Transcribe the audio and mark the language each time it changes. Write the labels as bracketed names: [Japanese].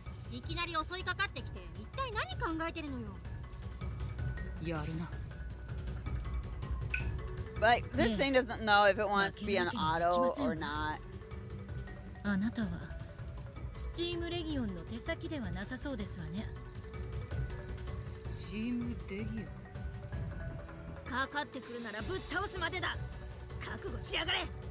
[Japanese] いきなり襲いかかってきて、一体何考えてるのよ。やるな。 [English] But this thing doesn't know if it wants to be an auto or not. [Japanese] あなたはスチームレギオンの手先ではなさそうですわね。スチームレギオン。かかってくるならぶっ倒すまでだ。覚悟しやがれ。